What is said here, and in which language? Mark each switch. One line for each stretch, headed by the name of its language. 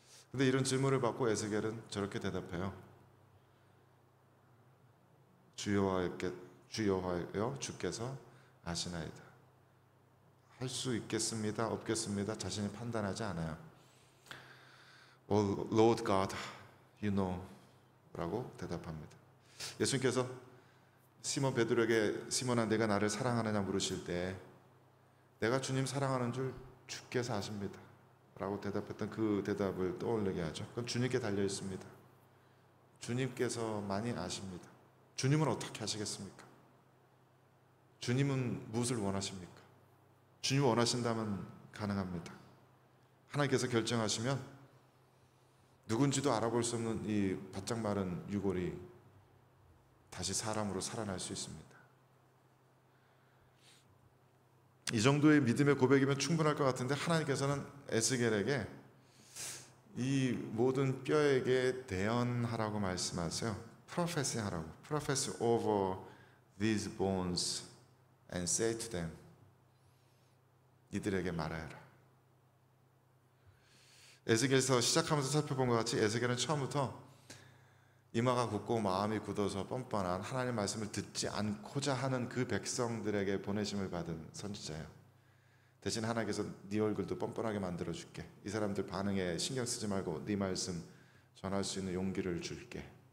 Korean: 그런데 이런 질문을 받고 에스겔은 저렇게 대답해요. 주여와여 주께서 아시나이다. 할 수 있겠습니다 없겠습니다 자신이 판단하지 않아요.
English: Well, Lord God you know
Korean: 라고 대답합니다. 예수님께서 시몬 베드로에게 시몬아 내가 나를 사랑하느냐 물으실 때 내가 주님 사랑하는 줄 주께서 아십니다 라고 대답했던 그 대답을 떠올리게 하죠. 그건 주님께 달려있습니다. 주님께서 많이 아십니다. 주님은 어떻게 하시겠습니까? 주님은 무엇을 원하십니까? 주님 원하신다면 가능합니다. 하나님께서 결정하시면 누군지도 알아볼 수 없는 이 바짝 마른 유골이 다시 사람으로 살아날 수 있습니다. 이 정도의 믿음의 고백이면 충분할 것 같은데 하나님께서는 에스겔에게 이 모든 뼈에게 대언하라고 말씀하세요. Prophecy 하라고.
English: Prophecy over these bones and say to them
Korean: 이들에게 말하여라. 에스겔서 시작하면서 살펴본 것 같이 에스겔은 처음부터 이마가 굳고 마음이 굳어서 뻔뻔한 하나님 말씀을 듣지 않고자 하는 그 백성들에게 보내심을 받은 선지자예요. 대신 하나님께서 네 얼굴도 뻔뻔하게 만들어줄게. 이 사람들 반응에 신경 쓰지 말고 네 말씀 전할 수 있는 용기를 줄게.